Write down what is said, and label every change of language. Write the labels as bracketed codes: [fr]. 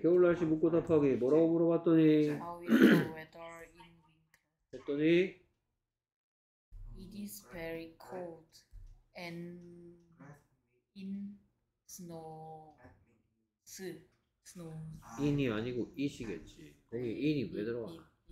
[ko] 겨울 날씨 묻고 답하기 뭐라고 물어봤더니 [en] How is the weather in winter? [ko] 했더니 [en] It is very cold and in snows. Snow. [ko] In이 아니고 it이겠지. 거기 in이 왜 들어가나?